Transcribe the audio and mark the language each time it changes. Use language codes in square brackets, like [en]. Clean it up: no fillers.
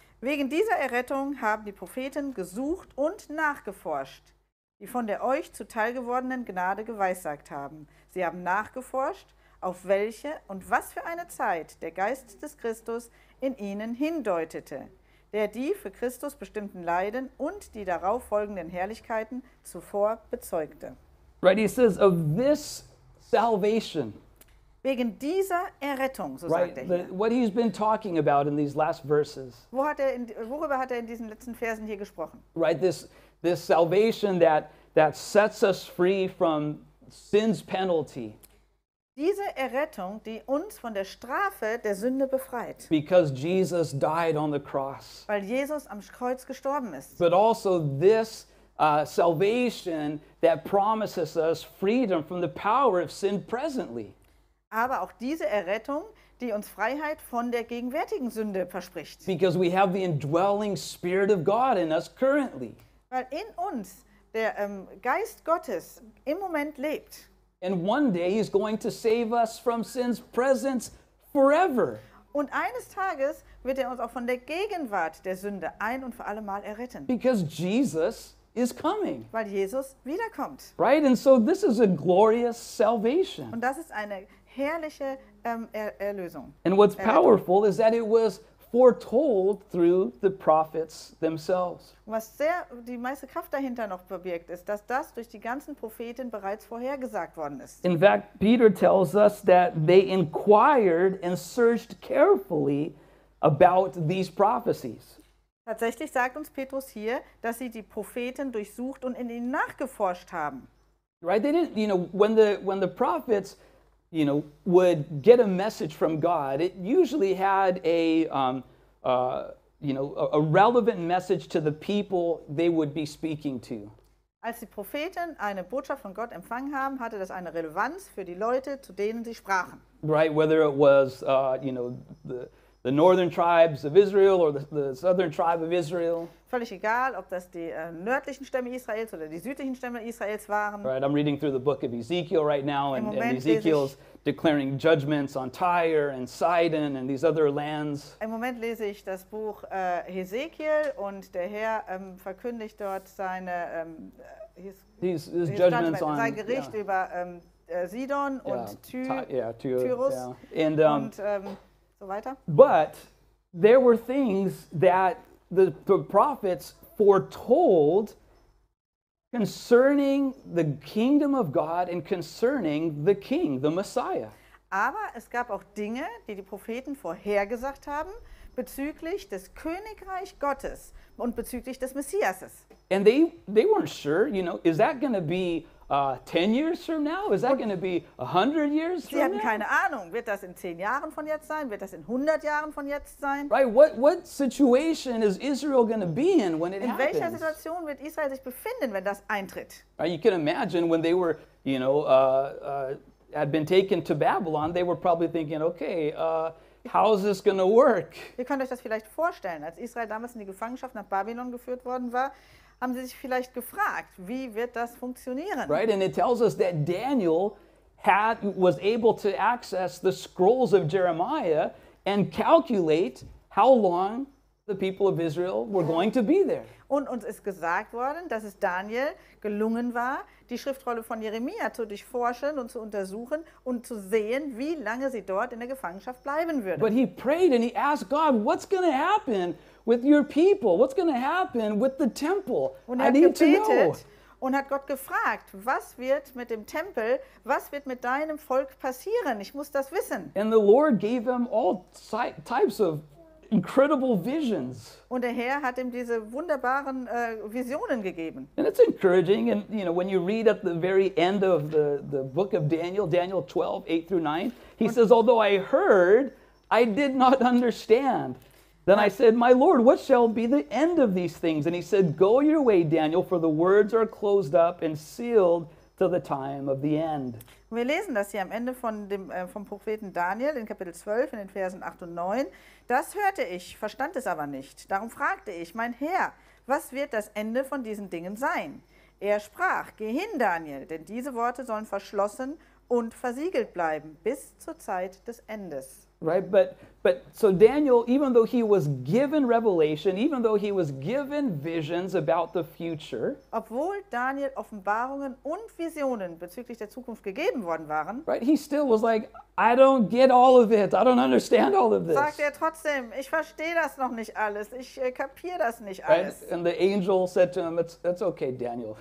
[de] Wegen dieser Errettung haben die Propheten gesucht und nachgeforscht, die von der euch zuteil gewordenen Gnade geweissagt haben. Sie haben nachgeforscht, auf welche und was für eine Zeit der Geist des Christus in ihnen hindeutete, der die für Christus bestimmten Leiden und die darauf folgenden Herrlichkeiten zuvor bezeugte. [en] Right, he says, of this salvation. [de] Wegen dieser Errettung, so [en] right, [de] sagt er hier. [en] What he's been talking about in these last verses. [de] Worüber hat er in diesen letzten Versen hier gesprochen? [en] Right, this salvation that sets us free from sin's penalty. [de] Diese Errettung, die uns von der Strafe der Sünde befreit. [en] Because Jesus died on the cross. [de] Weil Jesus am Kreuz gestorben ist. [en] But also this salvation that promises us freedom from the power of sin presently. [de] Aber auch diese Errettung, die uns Freiheit von der gegenwärtigen Sünde verspricht. [en] Because we have the indwelling Spirit of God in us currently. [de] Weil in uns der Geist Gottes im Moment lebt. [en] And one day he's going to save us from sin's presence forever. [de] Und eines Tages wird uns auch von der Gegenwart der Sünde ein und für alle Mal erretten. [en] Because Jesus is coming. Weil Jesus wiederkommt. Right? And so this is a glorious salvation. [de] Und das ist eine herrliche Erlösung. [en] And what's powerful is that it was foretold through the prophets themselves. [de] Was sehr die meiste Kraft dahinter noch bewirkt ist, dass das durch die ganzen Propheten bereits vorhergesagt worden ist. [en] In fact, Peter tells us that they inquired and searched carefully about these prophecies. [de] Tatsächlich sagt uns Petrus hier, dass sie die Propheten durchsucht und in ihnen nachgeforscht haben. [en] Right, they didn't, you know, when the prophets, you know, would get a message from God, it usually had a relevant message to the people they would be speaking to. [de] Als die Propheten eine Botschaft von Gott empfangen haben, hatte das eine Relevanz für die Leute, zu denen sie sprachen. [en] Right, whether it was the northern tribes of Israel or the southern tribe of Israel. [de] Völlig egal, ob das die nördlichen Stämme Israels oder die südlichen Stämme Israels waren. [en] Right, I'm reading through the book of Ezekiel right now, and Ezekiel's declaring judgments on Tyre and Sidon and these other lands. [de] Im Moment lese ich das Buch Ezekiel und der Herr verkündigt dort seine [en] his judgments on [de] sein Gericht yeah. über Sidon yeah. und Tyrus yeah. und so weiter. [en] But there were things that the prophets foretold concerning the kingdom of God and concerning the king, the Messiah. [de] Aber es gab auch Dinge, die die Propheten vorhergesagt haben bezüglich des Königreich Gottes und bezüglich des Messiases. [en] And they weren't sure, you know, is that going to be 10 years from now? Is that going to be 100 years from now? [de] Sie hatten keine Ahnung. Wird das in 10 Jahren von jetzt sein? Wird das in 100 Jahren von jetzt sein? [en] Right, what situation is Israel going to be in when it happens? [de] In welcher Situation wird Israel sich befinden, wenn das eintritt? [en] Right, you can imagine when they were, you know, had been taken to Babylon, they were probably thinking, okay, how is this going to work? [de] Ihr könnt euch das vielleicht vorstellen, als Israel damals in die Gefangenschaft nach Babylon geführt worden war, haben sie sich vielleicht gefragt, wie wird das funktionieren? [en] Right, and it tells us that Daniel was able to access the scrolls of Jeremiah and calculate how long the people of Israel were going to be there. [de] Und uns ist gesagt worden, dass es Daniel gelungen war, die Schriftrolle von Jeremia zu durchforschen und zu untersuchen und zu sehen, wie lange sie dort in der Gefangenschaft bleiben würde. [en] But he prayed and he asked God, what's going to happen with your people? What's going to happen with the temple? [de] Und er hat gebetet und hat Gott gefragt, was wird mit dem Tempel, was wird mit deinem Volk passieren? Ich muss das wissen. [en] And the Lord gave him all types of incredible visions. [de] Und der Herr hat ihm diese wunderbaren Visionen gegeben. [en] And it's encouraging, and you know, when you read at the very end of the book of Daniel, Daniel 12, 8 through 9, he says, although I heard, I did not understand. Then I said, my Lord, what shall be the end of these things? And he said, go your way, Daniel, for the words are closed up and sealed till the time of the end. [de] Wir lesen das hier am Ende von dem vom Propheten Daniel in Kapitel 12 in den Versen 8 und 9. Das hörte ich, verstand es aber nicht. Darum fragte ich, mein Herr, was wird das Ende von diesen Dingen sein? Er sprach, geh hin, Daniel, denn diese Worte sollen verschlossen und versiegelt bleiben bis zur Zeit des Endes. [en] Right, but But so Daniel, even though he was given revelation, even though he was given visions about the future, [de] obwohl Daniel Offenbarungen und Visionen bezüglich der Zukunft gegeben worden waren, [en] right, he still was like, I don't get all of it. I don't understand all of this. [de] Sagt er trotzdem, ich verstehe das noch nicht alles. Ich kapiere das nicht alles. [en] Right? And the angel said to him, it's okay, Daniel.